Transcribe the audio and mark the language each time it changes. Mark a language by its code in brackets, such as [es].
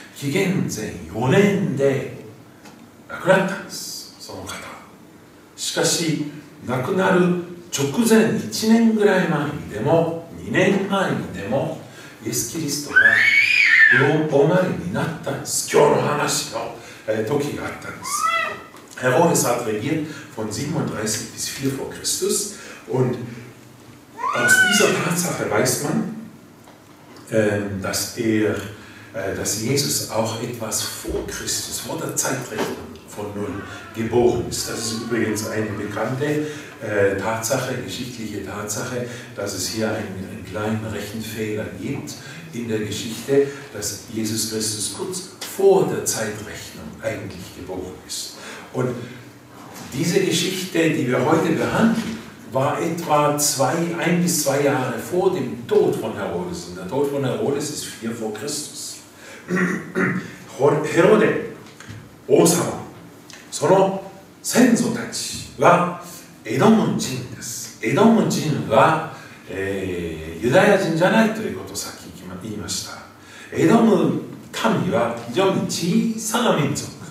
[ja] 紀元前4年で亡くなったんです、その方。しかし亡くなる直前1年ぐらい前にでも2年前にでもイエス・キリストがお生まれになったんです。今日の話の時があったんです。 [de] Herodes hat regiert von 37 bis 4 vor Christus und aus dieser Tatsache weiß man, dass Jesus auch etwas vor Christus, vor der Zeitrechnung von 0 geboren ist. Das ist übrigens eine bekannte Tatsache, geschichtliche Tatsache, dass es hier einen kleinen Rechenfehler gibt in der Geschichte, dass Jesus Christus kurz vor der Zeitrechnung eigentlich geboren ist. Und diese Geschichte, die wir heute behandeln, war etwa ein bis zwei Jahre vor dem Tod von Herodes. Und der Tod von Herodes ist 4 vor Christus. [ja] Herode, Osama, その先祖たちはエドム人です。エドム人は、ユダヤ人じゃないということをさっき言いました。エドム民は非常に小さな民族。